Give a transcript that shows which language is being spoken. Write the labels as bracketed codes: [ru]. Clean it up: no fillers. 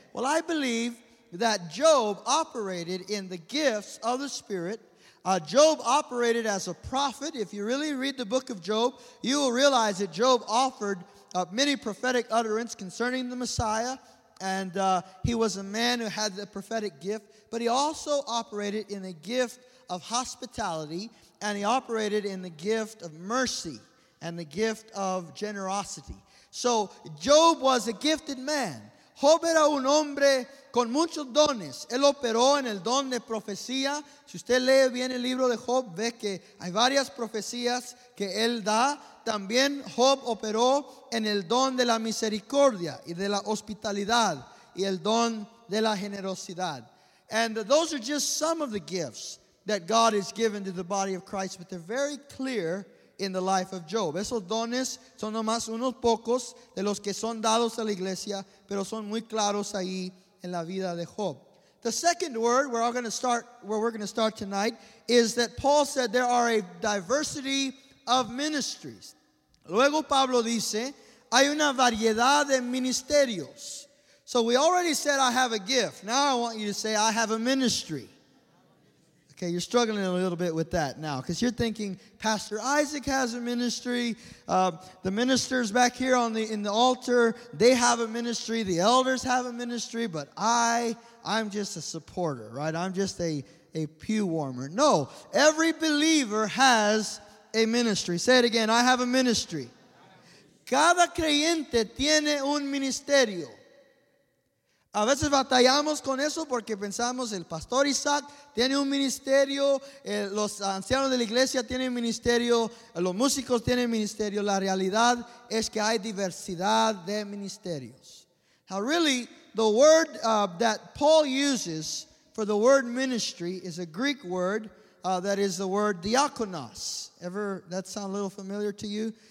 [en] Well, I believe that Job operated in the gifts of the Spirit. Job operated as a prophet. If you really read the book of Job, you will realize that Job offered many prophetic utterances concerning the Messiah, and he was a man who had the prophetic gift, but he also operated in the gift of hospitality, and he operated in the gift of mercy and the gift of generosity. So Job was a gifted man. [es] Job era un hombre con muchos dones. Él operó en el don de profecía. Si usted lee bien el libro de Job, ve que hay varias profecías que él da. También Job operó en el don de la misericordia y de la hospitalidad y el don de la generosidad. [en] And those are just some of the gifts that God has given to the body of Christ, but they're very clear in the life of Job. [es] Esos dones son nomás unos pocos de los que son dados a la iglesia, pero son muy claros ahí en la vida de Job. [en] The second word we're going to start tonight is that Paul said there are a diversity of ministries. [es] Luego Pablo dice, hay una variedad de ministerios. [en] So we already said I have a gift. Now I want you to say I have a ministry. Okay, you're struggling a little bit with that now, because you're thinking Pastor Isaac has a ministry, the ministers back here in the altar, they have a ministry, the elders have a ministry, but I'm just a supporter, right? I'm just a pew warmer. No, every believer has a ministry. Say it again, I have a ministry. [es] Cada creyente tiene un ministerio. A veces batallamos con eso porque pensamos el pastor Isaac tiene un ministerio, los ancianos de la iglesia tienen ministerio, los músicos tienen ministerio. La realidad es que hay diversidad de ministerios. [en] Now really, the word that Paul uses for the word ministry is a Greek word that is the word diakonos. Ever that sound a little familiar to you?